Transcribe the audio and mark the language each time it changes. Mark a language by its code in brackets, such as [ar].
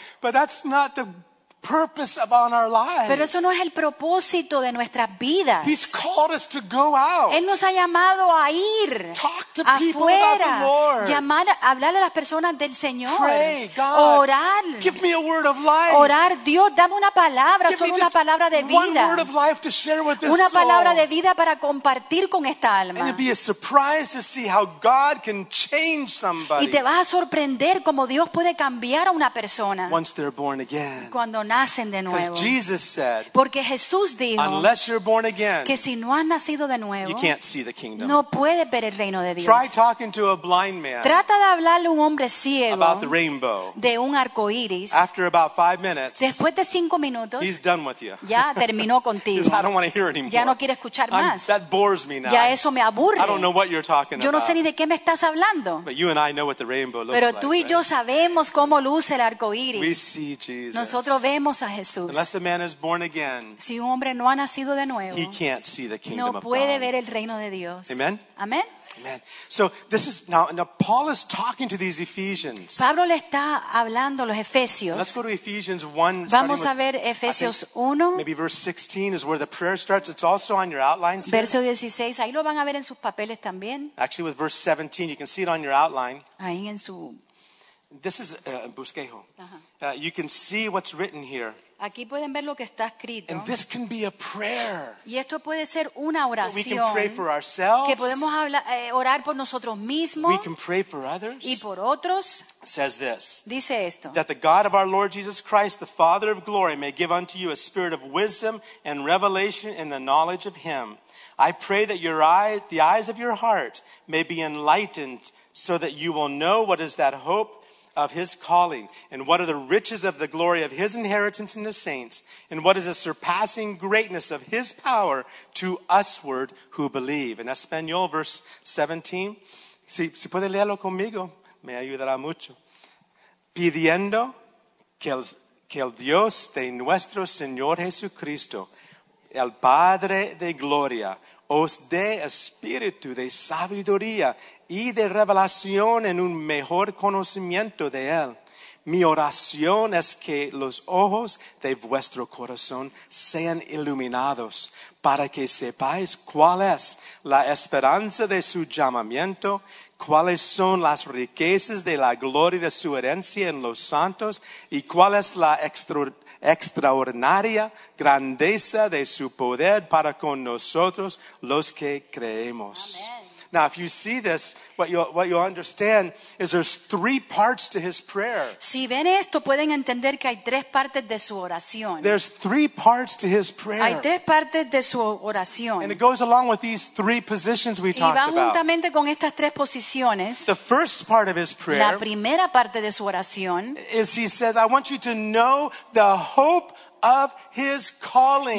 [en] But that's not the purpose of on our lives. [es] Pero eso no es el propósito de nuestras vidas. [en] He's called us to go out. [es] Él nos ha llamado a ir. [en] Talk to [es] afuera, [en] people about the Lord. [es] Llamar, hablarle a las personas del Señor. [en] Pray, God. [es] Orar. [en] Give me a word of life. [es] Orar, Dios, dame una palabra, solo una palabra de vida. [en] One word of life to share with this [es] una palabra [en] soul. [es] De vida para compartir con esta alma. [en] And it'd be a surprise to see how God can change somebody. [es] Y te vas a sorprender cómo Dios puede cambiar a una persona. [en] Once they're born again. [es] Cuando nacen de nuevo. [en] Because Jesus said, [es] porque Jesús dijo, [en] unless you're born again, [es] que si no has nacido de nuevo, [en] you can't see the kingdom. [es] No puedes ver el reino de Dios. [en] Try talking to a blind man. [es] Trata de hablarle a un hombre ciego [en] about the rainbow. [es] De un arco iris. [en] After about 5 minutes, [es] después de 5 minutos, [en] he's done with you. [es] Ya terminó contigo. [en] I don't want to hear anymore. [es] Ya no quiere escuchar más. [en] That bores me now. [es] Ya eso me aburre. [en] I don't know what you're talking about. [es] Yo no sé ni de qué me estás hablando. [en] But you and I know what the rainbow looks [es] pero [en] like. [es] Pero tú y [en] right? [es] yo sabemos cómo luce el arco iris. [en] We see Jesus. [es] Nosotros vemos a Jesús. [en] Unless a man is born again, [es] si un hombre no ha nacido de nuevo, [en] he can't see the kingdom [es] no puede ver el reino de Dios. [en] Amen. [es] Amen. [en] Amen. So this is now Paul is talking to these Ephesians. [es] Pablo le está hablando a los Efesios. [en] Let's go to Ephesians 1. [es] Vamos a ver Efesios 1. [en] Maybe verse 16 is where the prayer starts. It's also on your outlines. [es] Verso 16, ahí lo van a ver en sus papeles también. [en] Actually, with verse 17, you can see it on your outline. [es] Ahí en su [en] this is a bosquejo. Uh-huh. You can see what's written here. [es] Aquí pueden ver lo que está escrito. [en] And this can be a prayer. [es] Y esto puede ser una oración. [en] We can pray for ourselves. [es] Que podemos hablar, orar por nosotros mismos. [en] We can pray for others. [es] Y por otros. [en] Says this. [es] Dice esto. [en] That the God of our Lord Jesus Christ, the Father of glory, may give unto you a spirit of wisdom and revelation in the knowledge of him. I pray that your eyes, the eyes of your heart may be enlightened so that you will know what is that hope of his calling, and what are the riches of the glory of his inheritance in the saints, and what is the surpassing greatness of his power to usward who believe. In Espanol, verse 17, [es] si puede leerlo conmigo, me ayudará mucho. Pidiendo que el Dios de nuestro Señor Jesucristo, al Padre de gloria, os dé espíritu de sabiduría y de revelación en un mejor conocimiento de Él. Mi oración es que los ojos de vuestro corazón sean iluminados para que sepáis cuál es la esperanza de su llamamiento, cuáles son las riquezas de la gloria de su herencia en los santos y cuál es la extraordinaria grandeza de su poder para con nosotros los que creemos. Amen. [en] Now, if you see this, what you understand is there's three parts to his prayer. [es] Si ven esto, pueden entender que hay tres partes de su oración. [en] There's three parts to his prayer. [es] Hay tres partes de su oración. [en] And it goes along with these three positions we talked about. [es] Y va juntamente con estas tres posiciones. [en] The first part of his prayer. [es] La primera parte de su oración. [en] Is he says, I want you to know the hope of his calling.